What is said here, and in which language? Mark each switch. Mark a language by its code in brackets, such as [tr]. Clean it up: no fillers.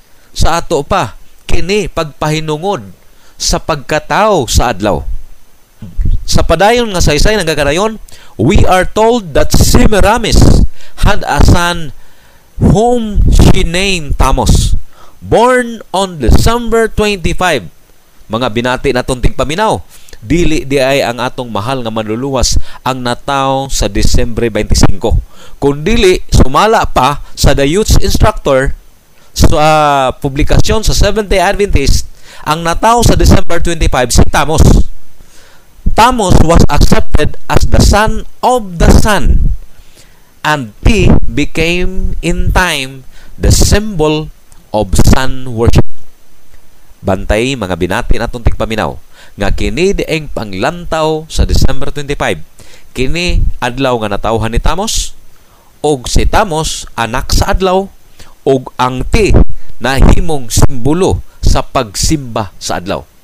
[ceb] Sa ato pa kini pagpahinungod sa pagkatao sa adlaw. Sa padayon nga saysay nagakanayon, [en] we are told that Semiramis had a son whom she named Thamos, born on December 25. [ceb] Mga binati natong tigpaminaw, dili di ay ang atong mahal nga manluluwas ang nataw sa December 25. Kundili sumala pa sa The Youth's Instructor sa publikasyon sa Seventh-day Adventist ang nataw sa December 25 si Thamos. [en] Thamos was accepted as the son of the sun, and he became in time the symbol of sun worship. [ceb] Bantay mga binati natong tigpaminaw nga kini ang panglantaw sa December 25 kini adlaw nga natawhan ni Thamos, og si Thamos anak sa adlaw, og ang ti na himong simbolo sa pagsimba sa adlaw.